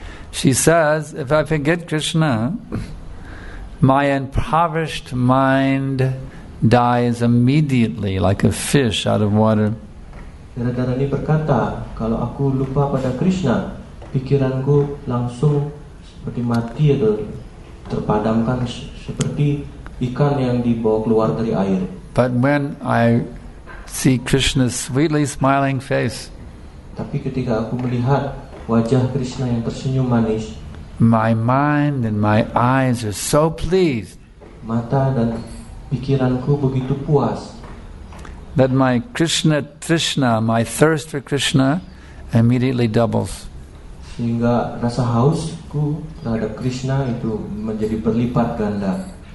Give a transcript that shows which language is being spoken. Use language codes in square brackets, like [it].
[en] She says, if I forget Krishna, my impoverished mind dies immediately, like a fish out of water. [id] Radharani berkata, kalau aku lupa pada Krishna, pikiranku langsung seperti mati atau terpadamkan seperti ikan yang dibawa keluar dari air. [en] But when I see Krishna's sweetly smiling face, [id] tapi ketika aku melihat wajah Krishna yang tersenyum manis, [en] my mind and my eyes are so pleased. [id] Mata dan pikiranku begitu puas. [en] That my Krishna Trishna, my thirst for Krishna, immediately doubles. [id] Sehingga rasa hausku terhadap Krishna itu menjadi berlipat ganda.